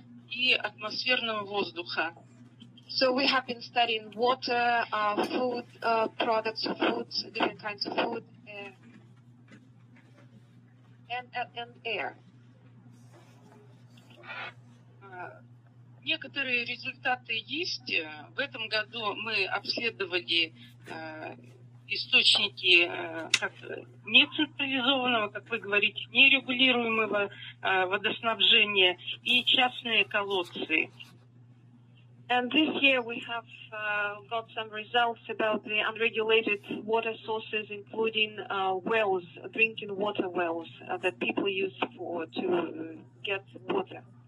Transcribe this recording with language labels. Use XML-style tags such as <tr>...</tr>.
<ru>И атмосферного воздуха.</ru> <en>So we have been studying water, food products, foods, different kinds of food, and air.</en> <ru>Некоторые результаты есть. В этом году мы обследовали источники как нецентрализованного, как вы говорите, нерегулируемого водоснабжения и частные колодцы.</ru> <en>And this year we have got some results about the unregulated water sources, including wells, drinking water wells that people use for to get water.</en>